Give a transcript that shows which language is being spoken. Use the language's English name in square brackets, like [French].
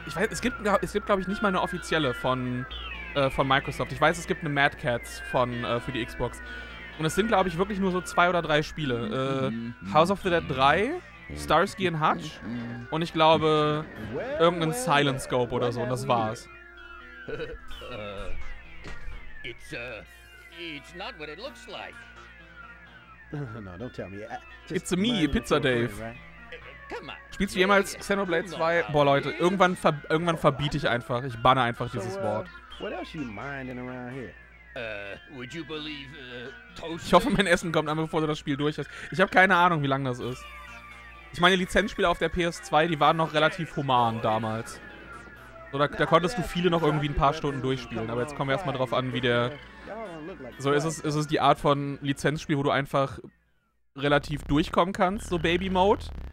[German] Es gibt, glaube ich, nicht mal eine offizielle von Microsoft. Ich weiß, es gibt eine Mad Catz für die Xbox. Und es sind, glaube ich, wirklich nur so 2 oder 3 Spiele. House of the Dead 3, Starsky & Hutch und ich glaube, irgendein Silent Scope oder so. Und das war's. [English] It's not what it looks like. No, don't tell me. It's a me, Pizza Dave. Come on. [German] Spielst du jemals Xenoblade 2? Boah, Leute, irgendwann verbiete ich einfach. Ich banne einfach dieses Wort. [English] What else you minding around here? Would you believe, Toast? [German] Ich hoffe, mein Essen kommt einmal, bevor du das Spiel durch hast. Ich habe keine Ahnung, wie lang das ist. Ich meine, Lizenzspiele auf der PS2, die waren noch relativ human damals. So, da konntest du viele noch irgendwie ein paar Stunden durchspielen, aber jetzt kommen wir erstmal drauf an, wie der... So, ist es die Art von Lizenzspiel, wo du einfach relativ durchkommen kannst, so Baby-Mode?